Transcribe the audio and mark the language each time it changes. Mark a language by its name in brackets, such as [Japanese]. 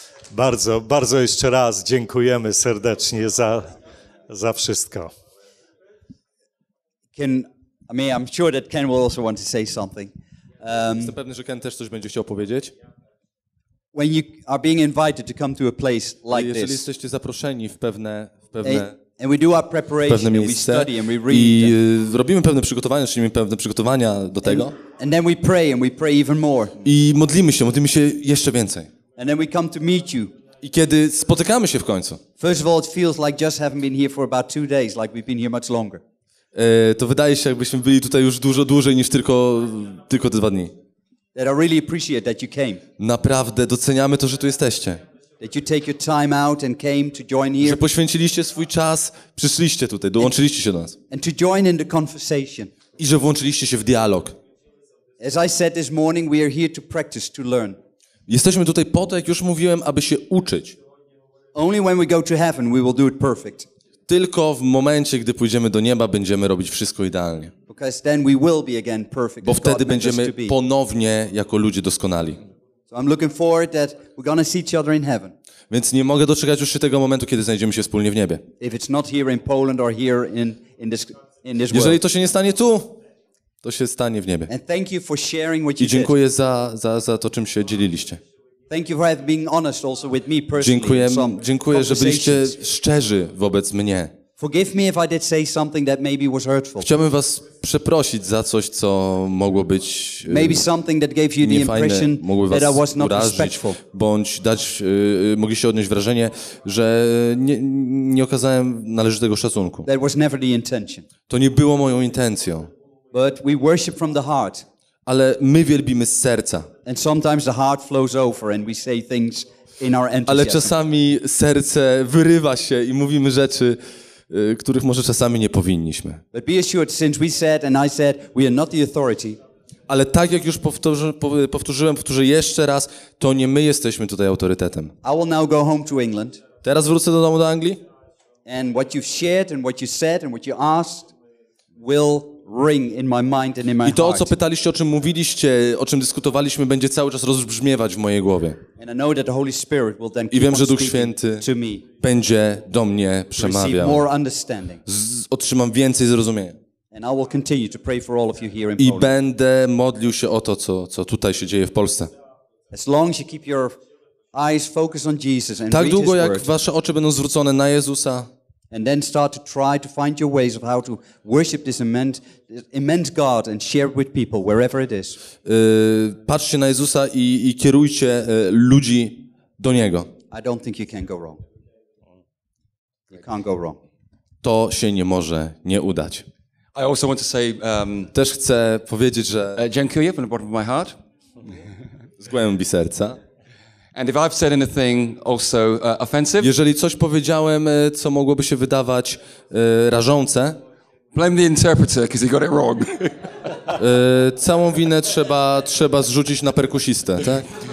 [Polish] Bardzo, bardzo jeszcze raz dziękujemy serdecznie za wszystko. [English] I'm sure that Ken will also want to say something. [Polish] Jestem pewny, że Ken też coś będzie chciał powiedzieć. [English] When you are being invited to come to a place like [Polish] jeżeli [English] this, [Polish] jesteście zaproszeni w pewne [English] and we do our preparation and we study and we read [Polish] i robimy pewne przygotowania, czynimy pewne przygotowania do tego. [English] And then we pray and we pray even more. [Polish] I modlimy się jeszcze więcej. [English] And then we come to meet you. [Polish] I kiedy spotykamy się w końcu. [English] First of all, it feels like just haven't been here for about 2 days, like we've been here much longer. [Polish] To wydaje się, jakbyśmy byli tutaj już dużo dłużej niż tylko te 2 dni. [English] That I really appreciate that you came. [Polish] Naprawdę doceniamy to, że tu jesteście. [English] That you take your time out and came to join here. [Polish] Że poświęciliście swój czas, przyszliście tutaj, dołączyliście się do nas. [English] And to join in the conversation. [Polish] I że włączyliście się w dialog. [English] As I said this morning, we are here to practice, to learn. [Polish] Jesteśmy tutaj po to, jak już mówiłem, aby się uczyć. [English] Only when we go to heaven, we will do it perfect. [Polish] Tylko w momencie, gdy pójdziemy do nieba, będziemy robić wszystko idealnie. [English] Because then we will be again perfect. [Polish] Bo wtedy będziemy ponownie jako ludzie doskonali. [English] So I'm looking forward that we're gonna see each other in heaven. [Polish] Więc nie mogę doczekać już się tego momentu, kiedy znajdziemy się wspólnie w niebie. [English] If it's not here in Poland or here in this world. [Polish] Jeżeli to się nie stanie tu, to się stanie w niebie. [English] And thank you for sharing what you did. [Polish] I dziękuję za to, czym się dzieliliście. [English] Thank you for being honest also with me personally. [Polish] Dziękuję, że byliście szczerzy wobec mnie. [English] Forgive me if I did say something that maybe was hurtful. [Polish] Chciałbym was przeprosić za coś, co mogło być [English] maybe something that gave you the impression that I was not respectful. [Polish] Bądź dać mogli się odnieść wrażenie, że nie okazałem należytego szacunku. [English] That was never the intention. [Polish] To nie było moją intencją. [English] But we worship from the heart. [Polish] Ale my wielbimy z serca. [English] And sometimes the heart flows over and we say things in our enthusiasm. [Polish] Ale czasami serce wyrywa się i mówimy rzeczy, których może czasami nie powinniśmy. [English] But be assured, since we said and I said, we are not the authority. [Polish] Ale tak jak już powtórzę jeszcze raz, to nie my jesteśmy tutaj autorytetem. [English] I will now go home to England. [Polish] Teraz wrócę do domu do Anglii. [English] And what you've shared and what you said and what you asked will ring in my mind and in my heart. [Polish] I to, o co pytaliście, o czym mówiliście, o czym dyskutowaliśmy, będzie cały czas rozbrzmiewać w mojej głowie. [English] And I know that the Holy Spirit will then keep. [Polish] I wiem, że Duch Święty będzie do mnie przemawiał. [English] Receive more understanding. [Polish] Otrzymam więcej zrozumienia. [English] And I will continue to pray for all of you here in Poland. [Polish] I będę modlił się o to, co tutaj się dzieje w Polsce. [English] As long as you keep your eyes focused on Jesus and [Polish] tak długo, [English] read his [Polish] jak wasze oczy będą zwrócone na Jezusa. [English] And then start to try to find your ways of how to worship this immense God and share it with people wherever it is. [Polish] Patrzcie na Jezusa i kierujcie ludzi do niego. [English] I don't think you can go wrong. You can't go wrong. [Polish] To się nie może nie udać. [English] I also want to say [Polish] też chcę powiedzieć, że dziękuję [English] from the bottom of my heart. [Polish] Z głębi serca. [English] And if I've said anything also offensive, [Polish] jeżeli coś powiedziałem, co mogłoby się wydawać rażące, [English] blame the interpreter, because he got it wrong. [Polish] Całą winę trzeba zrzucić na perkusistę, tak?